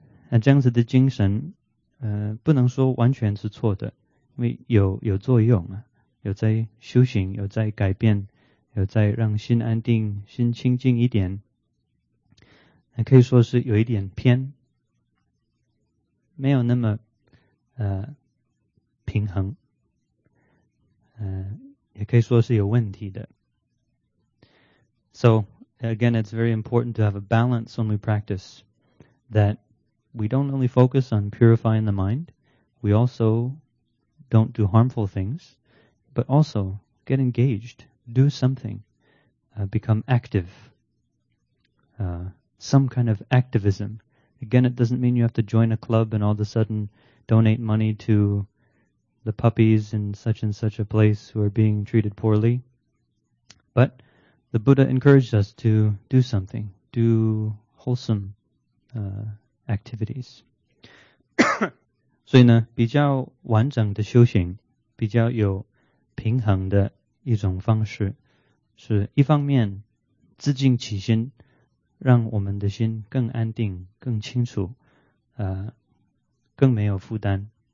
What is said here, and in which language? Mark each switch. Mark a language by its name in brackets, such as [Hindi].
[Chinese] 那这样子的精神不能说完全是错的，因为有作用啊，有在修行，有在改变，有在让心安定，心清净一点，还可以说是有一点偏，没有那么平衡，也可以说是有问题的。 [English] So again, it's very important to have a balance when we practice, that we don't only focus on purifying the mind, we also don't do harmful things, but also get engaged, do something, become active, some kind of activism. Again, it doesn't mean you have to join a club and all of a sudden donate money to the puppies in such and such a place who are being treated poorly. But the Buddha encouraged us to do something, do wholesome activities. [Chinese] 所以呢，比较完整的修行，比较有平衡的一种方式，是一方面自尽其心，让我们的心更安定，更清楚，更没有负担。